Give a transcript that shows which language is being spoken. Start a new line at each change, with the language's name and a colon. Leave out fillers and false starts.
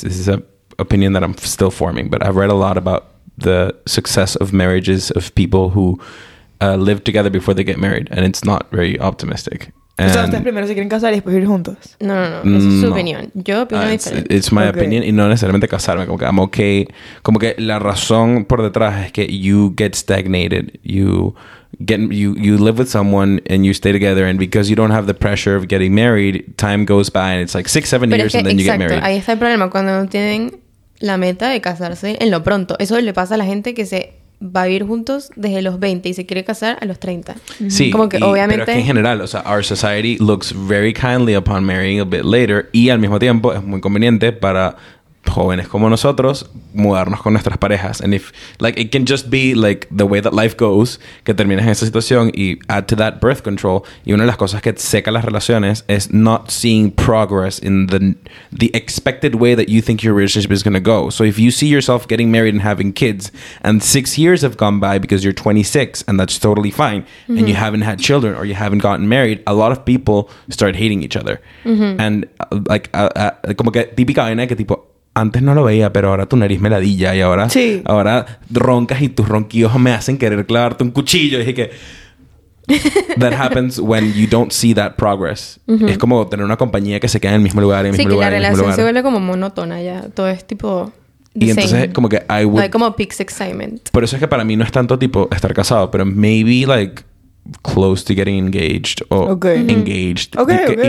English: This is an opinion that I'm still forming. But I've read a lot about... the success of marriages of people who live together before they get married. And it's not very optimistic.
Spanish: O sea, ustedes primero se quieren casar y después vivir juntos. No, no, no. Esa es su opinión. Yo opino diferente. It's my opinion. Y no necesariamente casarme. Como que I'm okay. Como que la razón por detrás es que you get stagnated.
English: You live with someone and you stay together. And because you don't have the pressure of getting married, time goes by and it's like 6-7 years
Spanish: es que,
English: and then you get married.
Spanish: Ahí está el problema. Cuando tienen la meta de casarse en lo pronto. Eso le pasa a la gente que se va a vivir juntos desde los 20 y se quiere casar a los 30. Sí, como que, y, obviamente, pero es que en general, o sea, our society looks very kindly upon marrying a bit later y al mismo tiempo es muy conveniente para jóvenes como nosotros mudarnos con nuestras parejas.
English: And if, like, it can just be, like, the way that life goes, que terminas en esa situación y add to that birth control. Y una de las cosas que seca las relaciones es not seeing progress in the expected way that you think your relationship is going to go. So if you see yourself getting married and having kids and 6 years have gone by because you're 26 and that's totally fine, mm-hmm. and you haven't had children or you haven't gotten married, a lot of people start hating each other. Mm-hmm.
Spanish: And, like, como que típica vaina que tipo, antes no lo veía, pero ahora tu nariz me ladilla y ahora, sí. ahora roncas y tus ronquidos me hacen querer clavarte un cuchillo.
English: Dije que that happens when you don't see that progress. Uh-huh.
Spanish: Es como tener una compañía que se queda en el mismo lugar, en el sí, mismo lugar, en el mismo lugar. Sí, que la relación se vuelve como monótona ya. Todo es tipo y entonces
English: same. Como que I would like como peaks excitement.
Spanish: Por eso es que para mí no es tanto tipo estar casado, pero maybe like close to getting engaged o
English: okay. engaged. Mm-hmm. Okay,
Spanish: y,
English: okay,